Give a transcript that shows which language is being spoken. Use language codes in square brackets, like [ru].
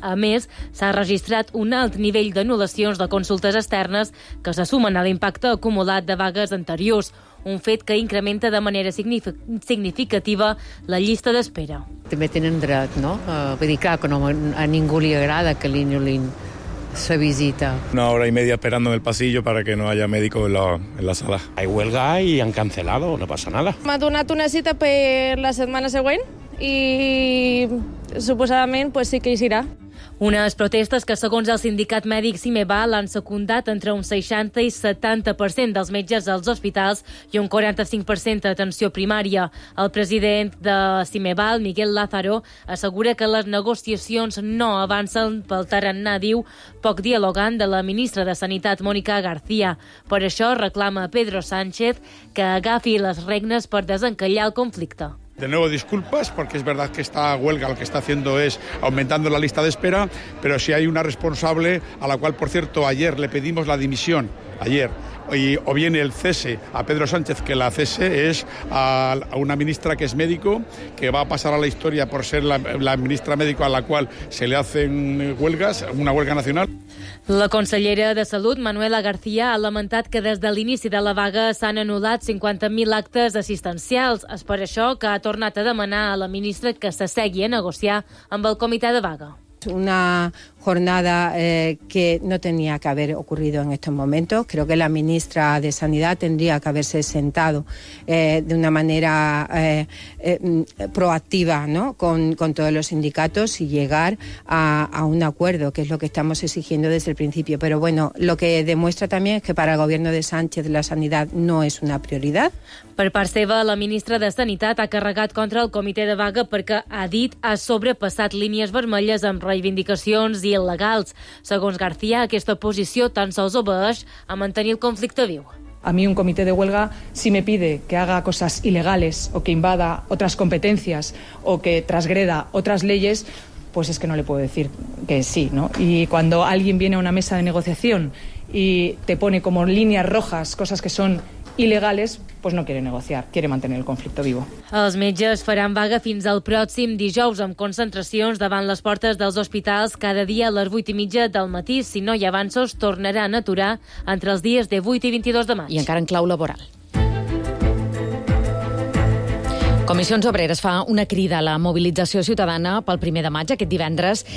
[ca] A més, s'ha registrat un alt nivell d'anul·lacions de consultes externes que se sumen a l'impacte acumulat de vagues anteriors, un fet que incrementa de manera significativa la llista d'espera. També tenen dret, no? Vull dir, clar, que no, a ningú li agrada que li anul·lin la visita. [es] Una hora y media esperando en el pasillo para que no haya médico en la sala. Hay huelga y han cancelado, no pasa nada. [ca] M'ha donat una cita per la setmana següent i suposadament pues sí que hi serà. Unes protestes que, segons el sindicat mèdic Cimeval, han secundat entre un 60 i 70% dels metges als hospitals i un 45% d'atenció primària. El president de Cimeval, Miguel Lázaro, assegura que les negociacions no avancen pel tarannà, diu, poc dialogant de la ministra de Sanitat, Mònica García. Per això reclama Pedro Sánchez que agafi les regnes per desencallar el conflicte. [es] De nuevo disculpas, porque es verdad que esta huelga lo que está haciendo es aumentando la lista de espera, pero si hay una responsable a la cual, por cierto, ayer le pedimos la dimisión, ayer, y, o viene el cese a Pedro Sánchez, que la cese es a una ministra que es médico, que va a pasar a la historia por ser la ministra médico a la cual se le hacen huelgas, una huelga nacional. [ca] La consellera de Salut, Manuela García, ha lamentat que des de l'inici de la vaga s'han anul·lat 50.000 actes assistencials. És per això que ha tornat a demanar a la ministra que s'assegui a negociar amb el comitè de vaga. [es] Una jornada que no tenía que haber ocurrido en estos momentos. Creo que la ministra de Sanidad tendría que haberse sentado de una manera proactiva, ¿no?, con todos los sindicatos y llegar a un acuerdo, que es lo que estamos exigiendo desde el principio. Pero bueno, lo que demuestra también es que para el gobierno de Sánchez la sanidad no es una prioridad. [ca] Per part seva, la ministra de Sanitat ha carregat contra el comitè de vaga perquè, ha dit, ha sobrepassat línies vermelles amb reivindicacions il·legals. Segons García, aquesta posició tan sols obeeix a mantenir el conflicte viu. [es] A mí un comité de huelga, si me pide que haga cosas ilegales o que invada otras competencias o que transgreda otras leyes, pues es que no le puedo decir que sí, ¿no? Y cuando alguien viene a una mesa de negociación y te pone como líneas rojas cosas que son ilegales, pues no quiere negociar, quiere mantener el conflicto vivo. [ca] Els metges faran vaga fins al pròxim dijous amb concentracions davant les portes dels hospitals cada dia a les 8:30 del matí. Si no hi avanços, tornaran a aturar entre els dies de 8 i 22 de maig. I encara en clau laboral. Comissions Obreres fa una crida a la mobilització ciutadana pel 1 de maig, aquest divendres.